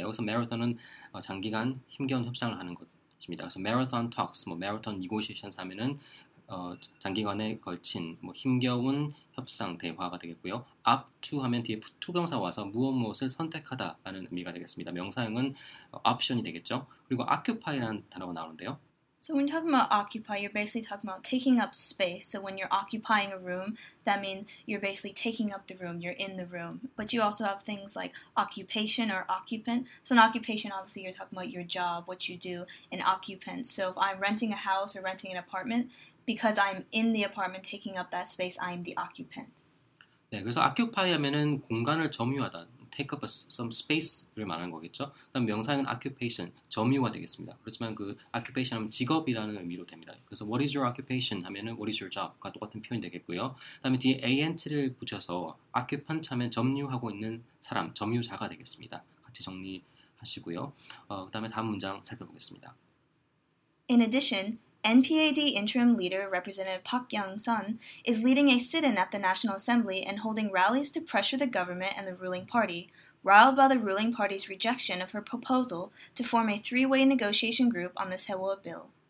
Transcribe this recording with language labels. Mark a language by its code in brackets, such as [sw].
[ko] 여기서 마라톤은 장기간 힘겨운 협상을 하는 것. 그래서 마라톤 톡스, 뭐 마라톤 니고시에이션스 하면은 장기간에 걸친 뭐 힘겨운 협상 대화가 되겠고요. up to 하면 뒤에 부정사 와서 무엇을 선택하다라는 의미가 되겠습니다. 명사형은 option이 되겠죠. 그리고 occupy라는 단어가 나오는데요. [en] So when you're talking about occupy, you're basically talking about taking up space. So when you're occupying a room, that means you're basically taking up the room, you're in the room. But you also have things like occupation or occupant. So an occupation, obviously, you're talking about your job, what you do, an occupant. So if I'm renting a house or renting an apartment, because I'm in the apartment taking up that space, I'm the occupant. [ko] 네, 그래서 occupy 하면은 공간을 점유하다. [en] Take up some space [ko] 를 말하는 거겠죠. 그다음 명사형은 occupation, 점유가 되겠습니다. 그렇지만 그 occupation 하면 직업이라는 의미로 됩니다. 그래서 [en] what is your occupation [ko] 하면은 [en] what is your job [ko] 과 똑같은 표현이 되겠고요. 그다음에 뒤에 ant를 붙여서 occupant 하면 점유하고 있는 사람, 점유자가 되겠습니다. 같이 정리하시고요. 그다음에 다음 문장 살펴보겠습니다. [en] In addition, NPAD interim leader Representative Park Kyung-sun is leading a sit-in at the National Assembly and holding rallies to pressure the government and the ruling party, riled by the ruling party's rejection of her proposal to form a three-way negotiation group on the Sewol bill.